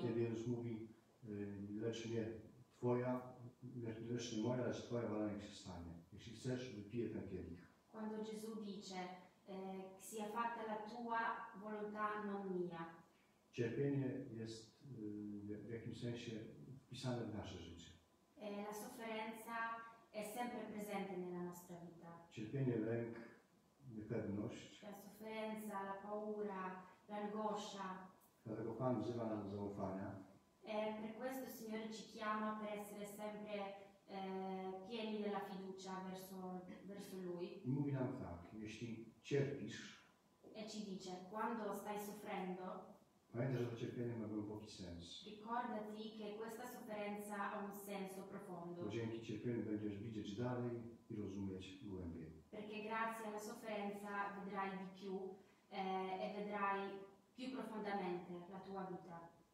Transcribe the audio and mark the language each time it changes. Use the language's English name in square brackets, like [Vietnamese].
[Polish] Kiedy Jezus mówi, lecz nie Twoja, lecz nie moja, lecz Twoja wola niech się stanie. Jeśli chcesz, wypiję ten kielich. [Italian] Quando Gesù dice, sia fatta la tua volontà, non mia. [Polish] Cierpienie jest w jakimś sensie wpisane w nasze życie. [Italian] La sofferenza è sempre presente nella nostra vita. [Polish] Cierpienie, lęk, niepewność. [Italian] La sofferenza, la paura, l'angoscia. [Polish] Dlatego Pan wzywa nas do zaufania. [Italian] E per questo il Signore ci chiama per essere sempre pieni della fiducia verso Lui. [Polish] I mówi nam tak, jeśli cierpisz. [Italian] E ci dice, quando stai soffrendo. [Polish] Pamiętaj, że to cierpienie ma głęboki sens. [Italian] Ricordati che questa sofferenza ha un senso profondo. [Polish] Bo dzięki cierpieniu będziesz widzieć dalej i rozumieć głębiej. [Italian] Perché grazie alla sofferenza vedrai di più e vedrai più profondamente la tua vita.